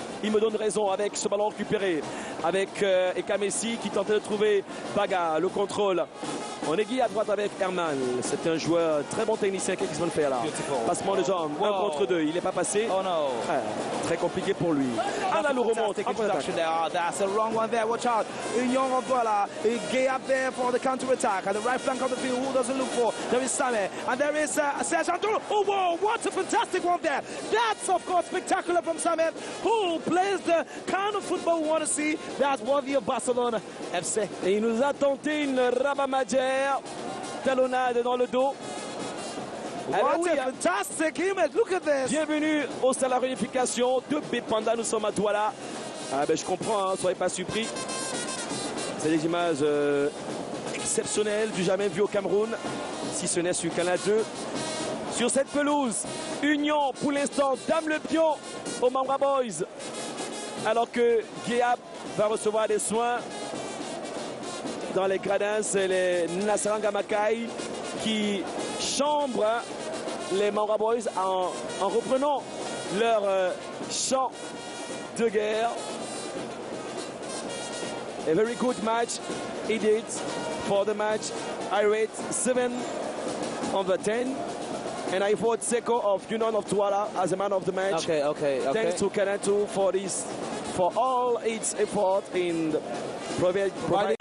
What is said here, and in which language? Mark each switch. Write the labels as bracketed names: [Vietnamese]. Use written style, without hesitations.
[French] Ils me donnent raison avec ce ballon récupéré. Avec Ekamessi qui tentait de trouver Paga, le contrôle. On est guillé à droite avec Herman. C'est un joueur très bon technicien. Qu'est-ce qu'il va faire là? [English] Beautiful. [French] Passement de jambes. Wow. Un contre deux. Il n'est pas passé. Oh non. Très compliqué pour lui. Anna Lou remonte. [English] That's a wrong one there. Watch out. Union of Douala. Gay up there for the counter-attack. At the right flank of the field. Who doesn't look for? There is Samé. And there is Serge Andoulou. Oh wow. What a fantastic one there. That's of course spectacular from Samé. Who plays the kind of football we want to see? That's worthy of Barcelona FC. [French] Et il nous a tenté une Rabamadje. Talonnade dans le dos. [English] Wow, a fantastic image. Look at this. [French] Bienvenue au stade de la réunification de Bépanda. Nous sommes à Douala. Ah ben je comprends, hein, soyez pas surpris. C'est des images exceptionnelles du jamais vu au Cameroun, si ce n'est sur Canal 2. Sur cette pelouse, Union pour l'instant dame le pion aux Mamba Boys. Alors que Guéab va recevoir des soins. Dans les gradins, c'est les Nasranga Makai qui chambrent les Mamba Boys en reprenant leur chant de guerre. [English] A very good match indeed for the match. I rate 7 on the 10. And I vote Seko of Union of Douala as a man of the match. Okay, okay, okay. Thanks to Kanatu for this, for all its effort in providing